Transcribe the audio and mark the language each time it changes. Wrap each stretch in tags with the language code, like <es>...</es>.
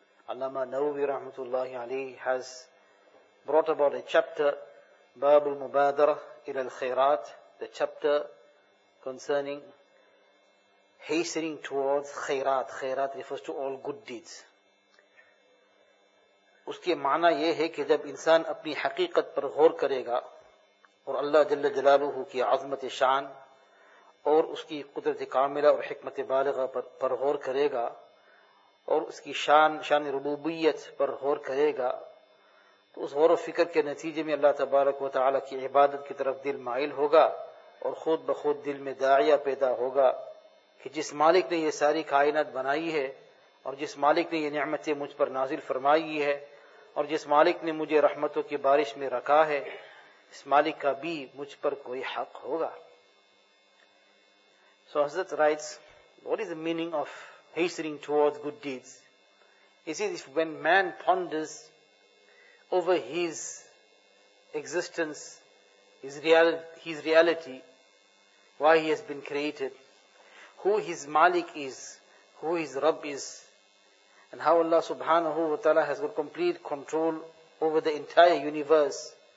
<en>Allama Nawawi Rahmatullah Alayhi has brought about a chapter, Babul Mubadara ila al Khairat, the chapter concerning hastening towards khairat. Khairat refers to all good deeds.</en> <ur>Uske maana ye hai ki jab insaan apni haqeeqat par ghor karega اور اللہ جل جلالہ کی عظمت شان اور اس کی قدرت کاملہ اور حکمت بالغہ پر غور کرے گا اور اس کی شان ربوبیت پر غور کرے گا, تو اس غور و فکر کے نتیجے میں اللہ تبارک و تعالی کی عبادت کی طرف دل مائل ہوگا اور خود بخود دل میں داعیہ پیدا ہوگا کہ جس مالک نے یہ ساری کائنات بنائی ہے اور جس مالک نے یہ نعمتیں مجھ پر نازل فرمائی ہے اور جس مالک نے مجھے رحمتوں کی بارش میں رکھا ہے, اس مالک کا بھی مجھ پر کوئی حق ہوگا.</ur> <en>So Hazrat writes, what is the meaning of hastening towards good deeds? He says, if when man ponders over his existence, his reality, why he has been created, who his malik is, who his Rabb is, and how Allah subhanahu wa ta'ala has got complete control over the entire universe.</en>